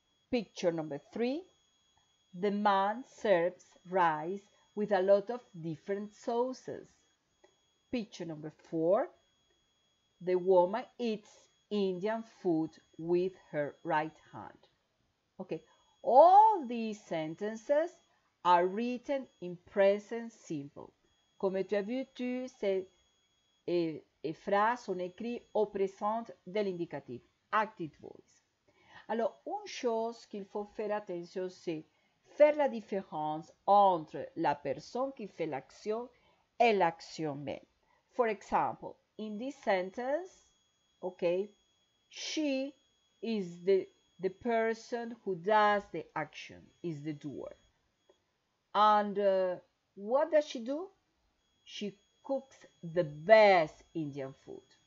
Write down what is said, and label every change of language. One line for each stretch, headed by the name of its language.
English: Picture number three, the man serves rice with a lot of different sauces. Picture number four, the woman eats Indian food with her right hand. Okay, all these sentences are written in present simple.
French: Comme tu as vu, ces phrases sont écrites au présent de l'indicatif,
English: active voice.
French: Alors, une chose qu'il faut faire attention, c'est faire la différence entre la personne qui fait l'action et l'action même.
English: For example, in this sentence, okay, she is the person who does the action, is the doer. And what does she do? She cooks the best Indian food.